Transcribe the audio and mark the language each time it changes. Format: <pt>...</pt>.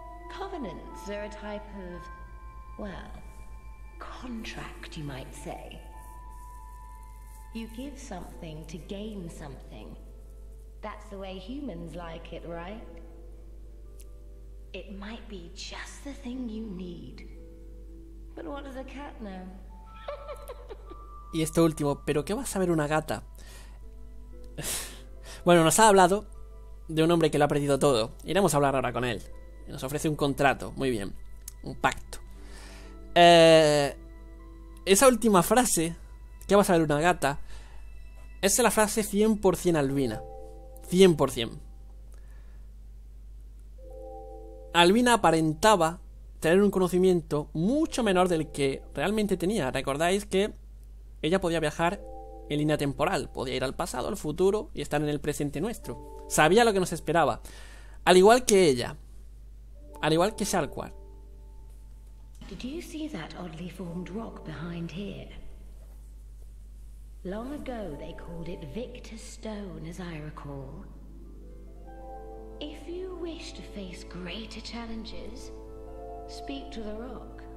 <en>Covenants are a type of, well, contract, you might say. You give something to gain something. That's the way humans like it, right? It might be just the thing you need. But what does a cat know?</en> <es>Y esto último, ¿pero qué va a saber una gata? Bueno, nos ha hablado de un hombre que lo ha perdido todo. Iremos a hablar ahora con él. Nos ofrece un contrato, muy bien. Un pacto. Esa última frase, ¿qué va a saber una gata? Es la frase 100% albina. 100%. Albina aparentaba tener un conocimiento mucho menor del que realmente tenía. Recordáis que ella podía viajar en línea temporal, podía ir al pasado, al futuro y estar en el presente nuestro. Sabía lo que nos esperaba. Al igual que ella. Al igual que Sharkwar.</es> <en>Did you see that oddly formed rock behind here? Long ago they called it Victor Stone, as I recall. If you wish to face greater challenges, speak to the rock.</en>